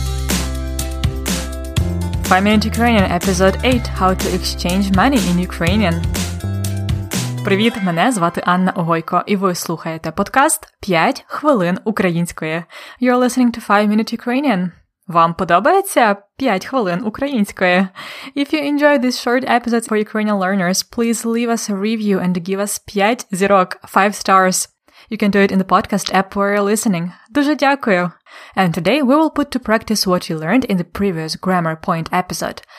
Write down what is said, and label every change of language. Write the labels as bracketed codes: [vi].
[en] 5 Minute Ukrainian, Episode 8 – How to Exchange Money in Ukrainian. [uk] Привіт, мене звати Анна Огойко, і ви слухаєте подкаст «5 хвилин української». [en] You're listening to 5 Minute Ukrainian. [uk] Вам подобається 5 хвилин української? [en] If you enjoyed this short episode for Ukrainian learners, please leave us a review and give us 5 [uk] зірок, [en] 5 stars. You can do it in the podcast app where you're listening. [uk] Дуже дякую! [en] And today we will put to practice what you learned in the previous Grammar Point episode.